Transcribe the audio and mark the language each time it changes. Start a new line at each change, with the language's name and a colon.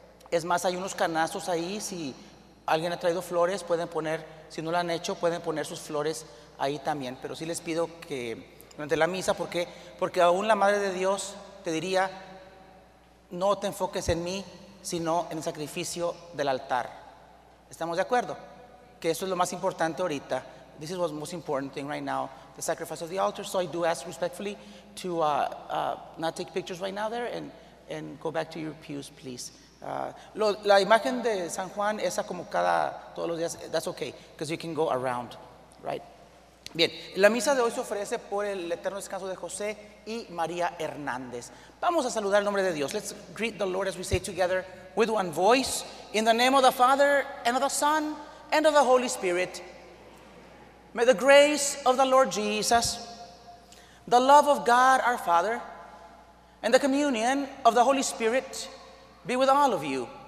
Spanish: Es más, hay unos canastos ahí, si alguien ha traído flores, pueden poner, si no lo han hecho, pueden poner sus flores ahí también. Pero sí les pido que durante la misa, porque aún la Madre de Dios te diría, no te enfoques en mí, sino en el sacrificio del altar. ¿Estamos de acuerdo? Que eso es lo más importante ahorita.
English: This is what's most important thing right now, the sacrifice of the altar. So I do ask respectfully to not take pictures right now there and go back to your pews, please.
Spanish: La imagen de San Juan, esa como cada, todos los días,
English: that's okay, because you can go around, right?
Spanish: Bien, la misa de hoy se ofrece por el eterno descanso de José y María Hernández. Vamos a saludar el nombre de Dios.
English: Let's greet the Lord as we say together with one voice, in the name of the Father, and of the Son, and of the Holy Spirit. May the grace of the Lord Jesus, the love of God our Father, and the communion of the Holy Spirit be with all of you.